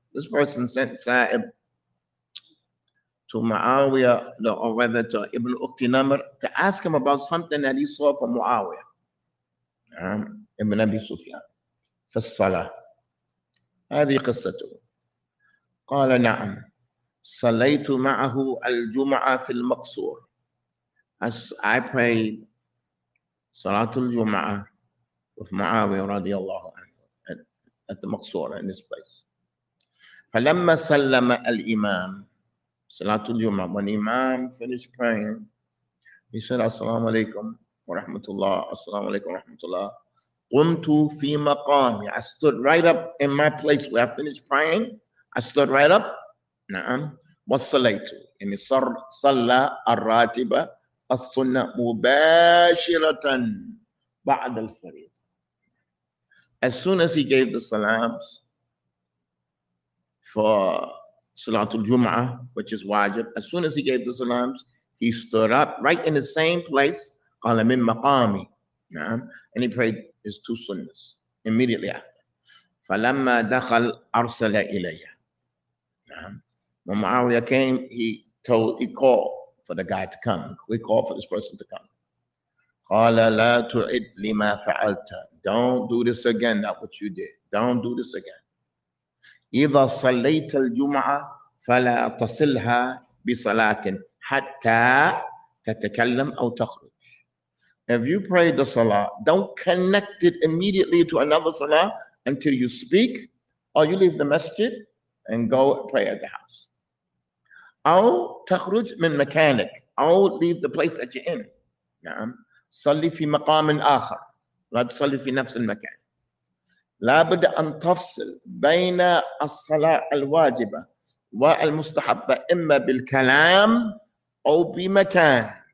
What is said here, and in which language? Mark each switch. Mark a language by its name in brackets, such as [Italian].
[English] This person sent سائب to معاوية or rather to ابن أقت نمر to ask him about something that he saw from معاوية. [Arabic] نعم, ابن أبي سفيان في الصلاة. هذه قصته. قال نعم صليت معه الجمعة في المقصور. [English] As I prayed Salatul Jum'ah with Muawiyah radiallahu anhu at the Maqsoor in this place. [Arabic] فلما سلم الإمام [English] Salatul Jum'ah, when Imam finished praying, he said, As-salamu alaykum wa rahmatullah, As-salamu alaykum wa rahmatullah. [Arabic] قُمْتُ فِي مَقَامِ [English] I stood right up in my place where I finished praying. I stood right up. [Arabic] نعم. وَصَلَيْتُ إِنِ صَلَّى الرَّاتِبَ السنة مباشرة بعد الفريضة. [English] As soon as he gave the salams for Salatul Jum'ah, which is wajib, as soon as he gave the salams, he stood up right in the same place, [Arabic] قَالَ مِن مَقَامِ. [English] And he prayed his two sunnahs immediately after. [Arabic] فَلَمَّا دَخَلْ أَرْسَلَ إِلَيَّ. [English] When Muawiyah came, he called for the guy to come. We called for this person to come. [Arabic] قَالَ لَا تُعِدْ لِمَا فَعَلْتَ. [English] Don't do this again, not what you did. Don't do this again. [Arabic] إِذَا صَلَّيْتَ الْجُمْعَةِ فَلَا تَصِلْهَا بِصَلَاةٍ حَتَّى تَتَكَلَّمْ أَوْ تَخْرُجْ. [English] If you pray the salah, don't connect it immediately to another salah until you speak or you leave the masjid and go pray at the house. [Arabic] أَوْ تَخْرُجْ مِنْ مَكَانِكَ. أَوْ [English] leave the place that you're in. [Arabic] نعم. صلي في مقام آخر. لا تصلي في نفس المكان. لابد أن تفصل بين الصلاة الواجبة والمستحبة إما بالكلام أو بمكان.